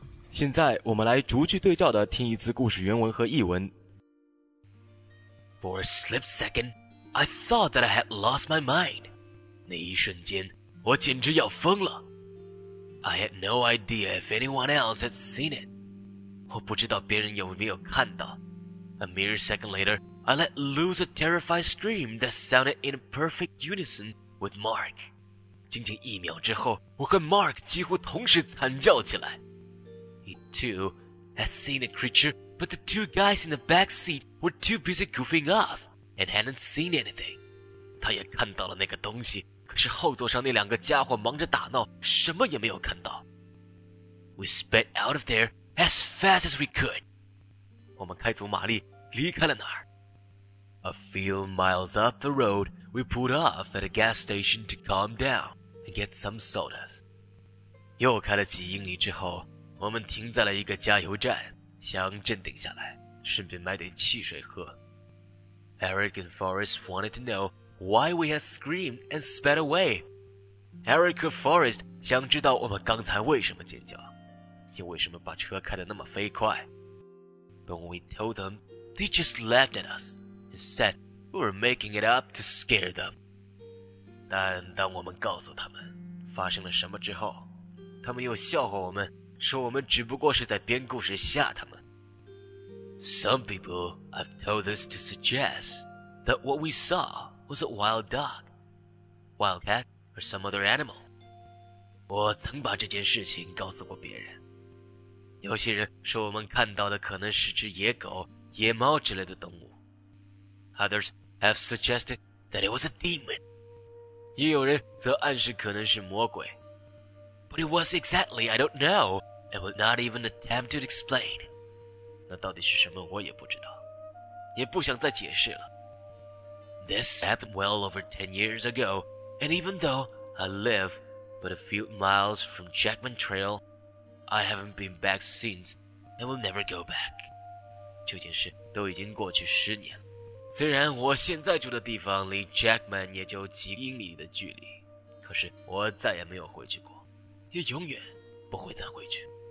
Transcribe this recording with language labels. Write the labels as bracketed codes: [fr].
[zh] 现在我们来逐句对照的听一次故事原文和译文。 [en] For a slip second, I thought that I had lost my mind. [zh] 那一瞬间，我简直要疯了。 [en] I had no idea if anyone else had seen it. [zh] 我不知道别人有没有看到。 [en] A mere second later, I let loose a terrified scream that sounded in perfect unison with Mark. [zh] 仅仅一秒之后，我和 Mark 几乎同时惨叫起来。 [en] He too had seen the creature, but the two guys in the back seat were too busy goofing off and hadn't seen anything. [zh] 他也看到了那个东西，可是后座上那两个家伙忙着打闹，什么也没有看到。 [en] We sped out of there as fast as we could. [zh] 我们开足马力离开了那儿。 [en] A few miles up the road, we pulled off at a gas station to calm down and get some sodas. [zh] 又开了几英里之后，我们停在了一个加油站，想镇定下来，顺便买点汽水喝。 [en] Eric and Forrest wanted to know,Why we had screamed and sped away. [zh] Eric Forrest 想知道我们刚才为什么尖叫，也为什么把车开得那么飞快。 [en] But when we told them, they just laughed at us and said we were making it up to scare them. [zh] 但当我们告诉他们发生了什么之后，他们又笑话我们，说我们只不过是在编故事吓他们。 [en] Some people have told this to suggest that what we saw was a wild dog, wildcat, or some other animal. [zh] 我曾把这件事情告诉过别人。有些人说我们看到的可能是只野狗、野猫之类的动物。 [en] Others have suggested that it was a demon. [zh] 也有人则暗示可能是魔鬼。 [en] But it was exactly, I don't know, and would not even attempt to explain. [zh] 那到底是什么我也不知道。也不想再解释了。 [en] This happened well over 10 years ago, and even though I live but a few miles from Jackman Trail, I haven't been back since and will never go back. [zh] 这件事都已经过去十年了。虽然我现在住的地方离 Jackman 也就几英里的距离，可是我再也没有回去过，也永远不会再回去。